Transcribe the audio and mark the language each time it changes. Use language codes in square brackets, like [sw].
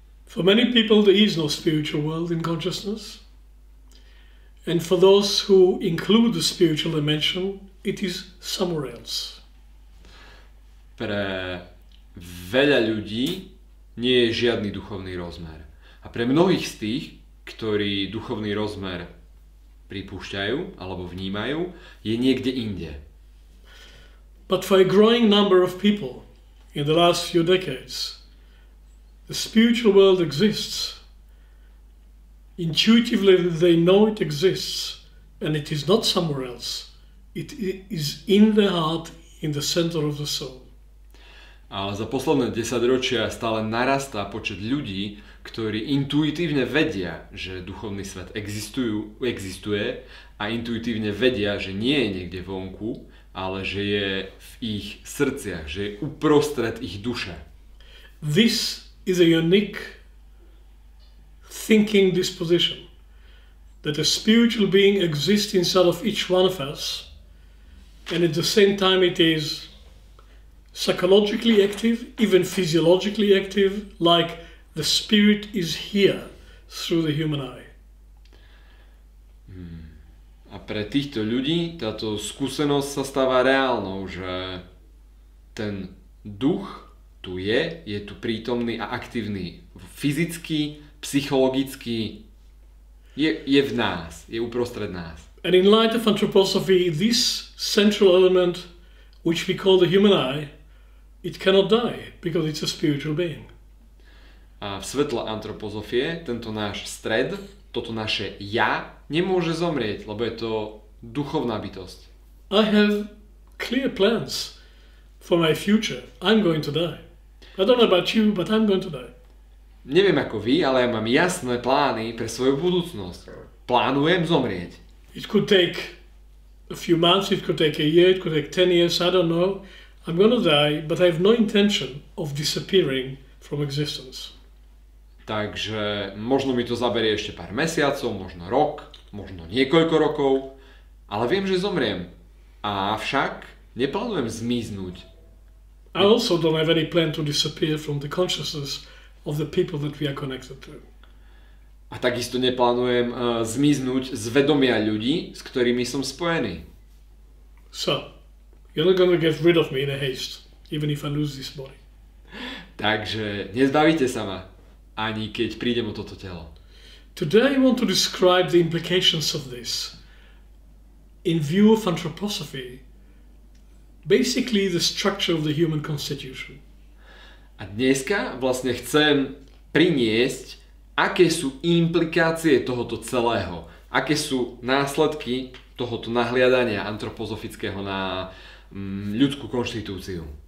[en] For many people there is no spiritual world in consciousness, and for those who include the spiritual dimension, it is somewhere else. [sk] Pre veľa ľudí nie je žiadny duchovný rozmer. A pre mnohých z tých, ktorí duchovný rozmer pripúšťajú alebo vnímajú, je niekde inde. [en] But for a growing number of people in the last few decades, the spiritual world exists. Intuitively they know it exists, and it is not somewhere else. It is in the heart, in the center of the soul. [sk] Ale za posledné 10 ročia stále narastá počet ľudí, ktorí intuitívne vedia, že duchovný svet existuje a intuitívne vedia, že nie je niekde vonku, ale že je v ich srdciach, že je uprostred ich duše. [en] This is a unique thinking disposition, that a spiritual being exists inside of each one of us, and at the same time it is psychologically active, even physiologically active, like the spirit is here through the human eye. [sk] A pre týchto ľudí táto skúsenosť sa stáva reálnou, že ten duch tu je, je tu prítomný a aktívny fyzicky, psychologicky, je v nás, je uprostred nás. [en] And in light of anthroposophy, this central element, which we call the human eye, it cannot die, because it's a spiritual being. [sk] A v svetle antropozofie, tento náš stred, toto naše ja, nemôže zomrieť, lebo je to duchovná bytosť. [en] I have clear plans for my future. I'm going to die. I don't know about you, but I'm going to die. [sk] Neviem ako vy, ale ja mám jasné plány pre svoju budúcnosť. Plánujem zomrieť. [en] It could take a few months, it could take a year, it could take 10 years, I don't know. I'm going to die, but I have no intention of disappearing from existence. [sk] Takže možno mi to zaberie ešte pár mesiacov, možno rok, možno niekoľko rokov, ale viem, že zomriem. A avšak neplánujem zmiznúť. [en] I also don't have any plan to disappear from the consciousness of the people that we are connected to. [sk] A takisto neplánujem zmiznúť z vedomia ľudí, s ktorými som spojený. [en] So, you're not going to get rid of me in a haste, even if I lose this body. [sk] Takže nezbavíte sa ma, ani keď prídem o toto telo. [en] Today I want to describe the implications of this in view of anthroposophy, basically the structure of the human constitution. [sk] A dneska vlastne chcem priniesť, aké sú implikácie tohoto celého, aké sú následky tohoto nahliadania antropozofického na ľudskú konštitúciu.